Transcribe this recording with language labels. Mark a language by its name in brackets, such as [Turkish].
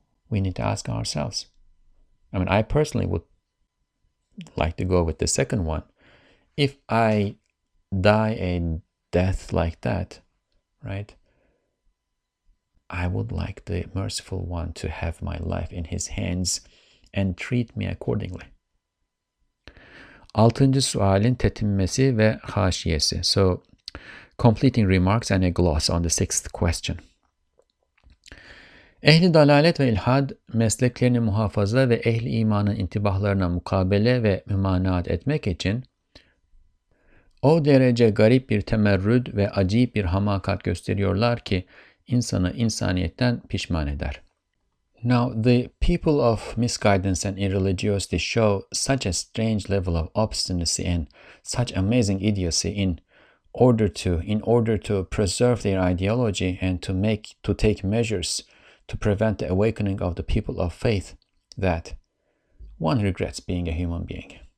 [English] We need to ask ourselves. I mean, I personally would like to go with the second one if I die a death like that, right, I would like the merciful one to have my life in his hands and treat me accordingly. [Turkish] Altıncı sualin tetinmesi ve haşiyesi. [English] So, completing remarks and a gloss on the sixth question. [Turkish] Ehli dalalet ve ilhad mesleklerini muhafaza ve ehli imanın intibahlarına mukabele ve mümanaat etmek için o derece garip bir temerrüt ve acayip bir hamakat gösteriyorlar ki insanı insaniyetten pişman eder. [English] Now, the people of misguidance and irreligiosity show such a strange level of obstinacy and such amazing idiocy in order to preserve their ideology and to take measures to prevent the awakening of the people of faith that one regrets being a human being.